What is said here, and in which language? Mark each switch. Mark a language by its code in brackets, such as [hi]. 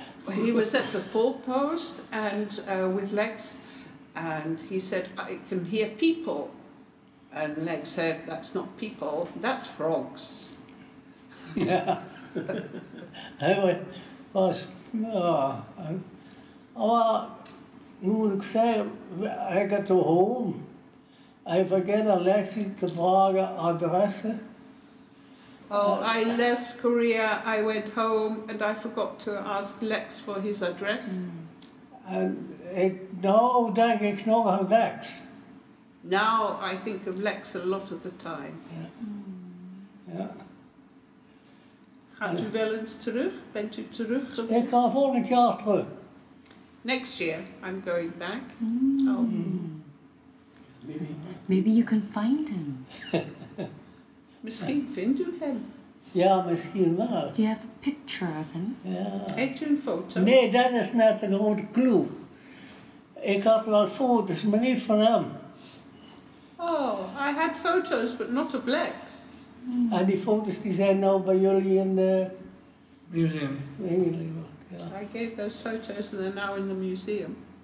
[en] He was at the forepost and with Lex, and he said, I can hear people. And Lex said, that's not people, that's frogs. [nl] Ja, hij was, maar nu moet ik zeggen, hij gaat [en] to home. [nl] Hij vergeet Alexi te vragen adressen. [en] Oh, I left Korea, I went home, and I forgot to ask Lex for his address. And now [nl] denk ik nog aan Lex. [en] Now I think of Lex a lot of the time. Yeah. [nl] Gaat u wel eens terug? Bent u terug? Ik ga volgend jaar terug. [en] Next year, I'm going back. Maybe you can find him. [nl] Misschien vindt u hem. Ja, misschien wel. [en] Do you have a picture of him? [nl] Ja. Heeft u een foto? Nee, dat is net de grote clue. Ik had wel foto's, maar niet van hem. [en] Oh, I had photos, but not of Lex. [nl] En die foto's die zijn nou bij jullie in de... museum. In de... [en] I gave those photos and they're now in the museum.